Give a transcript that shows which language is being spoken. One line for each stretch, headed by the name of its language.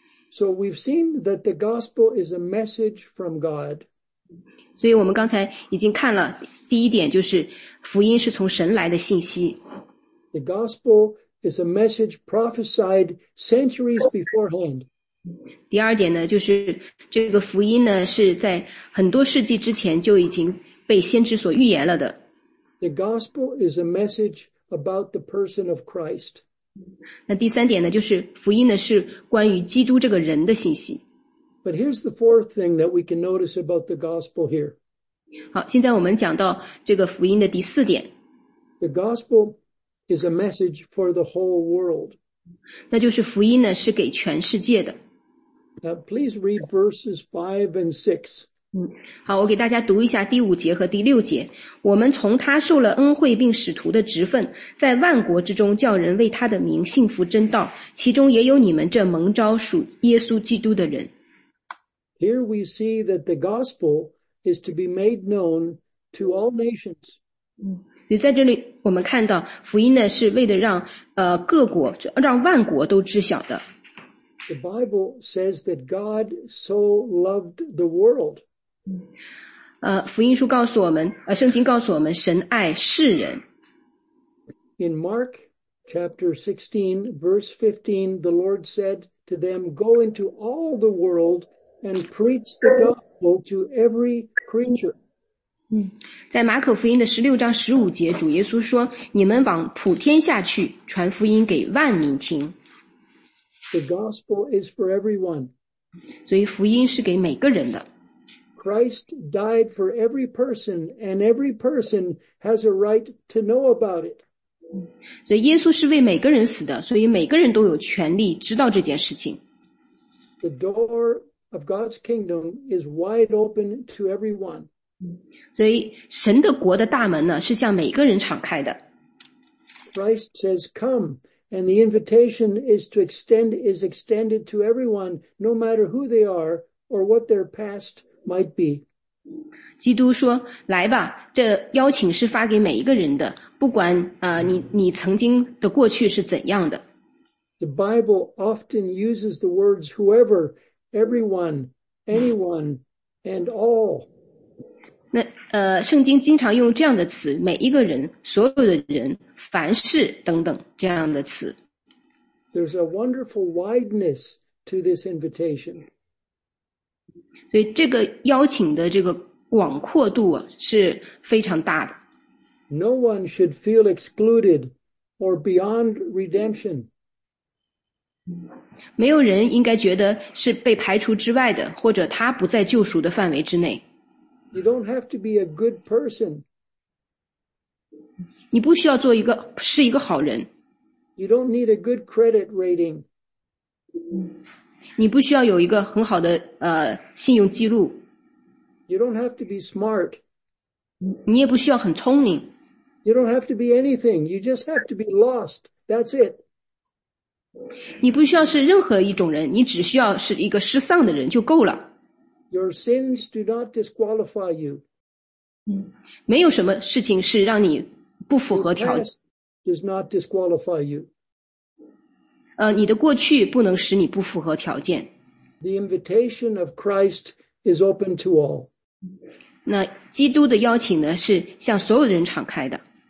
English: So we've seen that the gospel is a message from God.
Chinese: 所以我们刚才已经看了第一点，就是福音是从神来的信息。
English: The gospel is a message prophesied centuries beforehand.
Chinese: 第二点呢，就是这个福音呢，是在很多世纪之前就已经被先知所预言了的。
English: The gospel is a message about the person of Christ.
Chinese: 那第三点呢，就是福音呢是关于基督这个人的信息。
English: But here's the fourth thing that we can notice about the gospel here.
Chinese: 好，现在我们讲到这个福音的第四点。
English: The gospel is a message for the whole world.
Chinese: 那就是福音呢是给全世界的。
English: Now, please read verses 5 and 6.
Chinese: 好，我给大家读一下第五节和第六节。我们从他受了恩惠并使徒的职分，在万国之中叫人为他的名信服真道，其中也有你们这蒙召属耶稣基督的人。
English: Here we see that the gospel is to be made known to all nations.
Chinese: 所以在这里我们看到福音呢是为了让各国让万国都知晓的。
English: The Bible says that God so loved the world.
Chinese: 福音书告诉我们圣经告诉我们神爱世人。
English: In Mark chapter 16 verse 15, the Lord said to them, go into all the world and preach the gospel to every creature.
Chinese: 在马可福音的16章15节主耶稣说你们往普天下去传福音给万民听。
English: The gospel is for everyone.
Chinese: 所以福音是给每个人的。
English: Christ died for every person, and every person has a right to know about it.
Chinese: 所以耶稣是为每个人死的，所以每个人都有权利知道这件事情。
English: The door of God's kingdom is wide open to everyone.
Chinese: 所以神的国的大门呢，是向每个人敞开的。
English: Christ says, come. And the invitation is extended to everyone, no matter who they are or what their past might be.
Chinese: 基督说，来吧，这邀请是发给每一个人的，不管你曾经的过去是怎样的。
English: The Bible often uses the words whoever, everyone, anyone, and all.
Chinese: 那圣经经常用这样的词，每一个人，所有的人，凡事等等这样的词。
English: There's a wonderful wideness to this invitation.
Chinese: 所以这个邀请的这个广阔度啊，是非常大的。
English: No one should feel excluded or beyond redemption.
Chinese: 没有人应该觉得是被排除之外的，或者他不在救赎的范围之内。
English: You don't have to be a good person.
Chinese: 你不需要做一个是一个好人。
English: You don't need a good credit rating.
Chinese: 你不需要有一个很好的信用记录。
English: You don't have to be smart.
Chinese: 你也不需要很聪明。
English: You don't have to be anything. You just have to be lost. That's it.
Chinese: 你不需要是任何一种人，你只需要是一个失丧的人就够了。
English: Your sins do not disqualify you.
Chinese: 没有什么事情是让你不符合条件。
English: Your past does not disqualify you.
Chinese: 你的过去不能使你不符合条件。
English: The invitation of Christ is open to all.
Chinese: 那基督的邀请呢，是向所有人敞开的。